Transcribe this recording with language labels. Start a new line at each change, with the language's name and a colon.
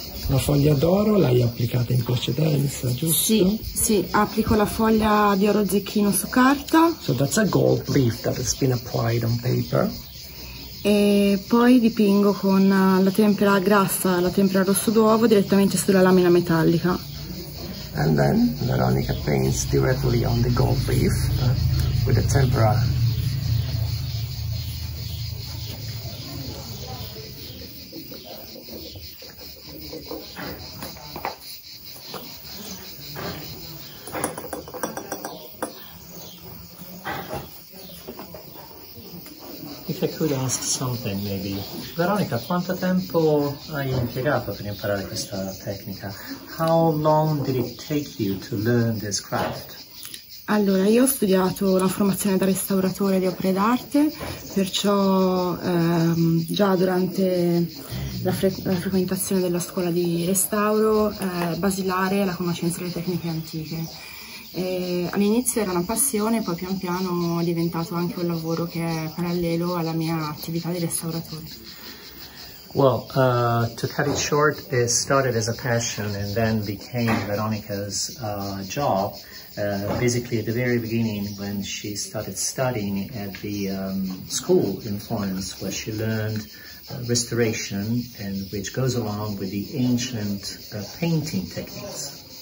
Italian: La foglia d'oro l'hai applicata in precedenza, giusto? Sì, sì, applico la foglia di oro zecchino su carta.
English: So that's a gold leaf that has been applied on paper.
Italian: E poi dipingo con la tempera grassa, la tempera rosso d'uovo, direttamente sulla lamina metallica.
English: And then Veronica paints directly on the gold leaf with the tempera. Could ask something, maybe.
Italian: Veronica, quanto tempo hai impiegato per imparare questa tecnica?
English: How long did it take you to learn this craft?
Italian: Allora, io ho studiato una formazione da restauratore di opere d'arte, perciò già durante la frequentazione della scuola di restauro basilare la conoscenza delle tecniche antiche. E all'inizio era una passione, poi pian piano è diventato anche un lavoro che è parallelo alla mia attività di restauratore.
English: Well, to cut it short, it started as a passion and then became Veronica's job. Basically, at the very beginning, when she started studying at the school in Florence, where she learned restoration, and which goes along with the ancient painting techniques.